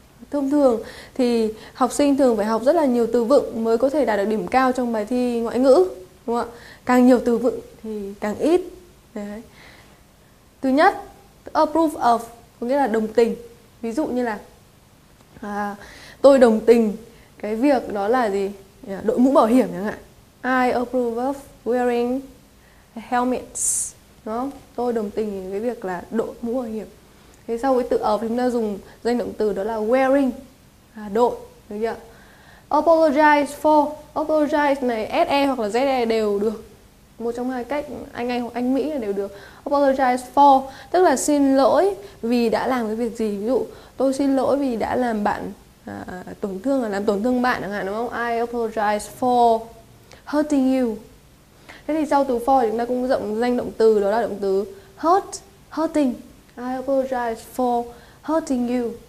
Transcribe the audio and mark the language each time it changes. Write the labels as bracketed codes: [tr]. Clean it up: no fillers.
[vi] Thông thường thì học sinh thường phải học rất là nhiều từ vựng mới có thể đạt được điểm cao trong bài thi ngoại ngữ, đúng không ạ? Càng nhiều từ vựng thì càng ít. Đấy. Thứ nhất, approve of có nghĩa là đồng tình. Ví dụ như là tôi đồng tình cái việc đó là gì? Đội mũ bảo hiểm chẳng hạn. [en] I approve of wearing helmets. [vi] Đúng không? Tôi đồng tình cái việc là đội mũ bảo hiểm. Thế sau cái từ of chúng ta dùng danh động từ đó là wearing, là đội, được chưa? Apologize for, apologize này SE hoặc là ZE đều được. Một trong hai cách Anh hoặc Anh Mỹ là đều được. Apologize for tức là xin lỗi vì đã làm cái việc gì. Ví dụ tôi xin lỗi vì đã làm bạn tổn thương, làm tổn thương bạn chẳng hạn, đúng không? [en] I apologize for hurting you. [vi] Thế thì sau từ for chúng ta cũng rộng danh động từ, đó là động từ hurt, hurting. [en] I apologize for hurting you.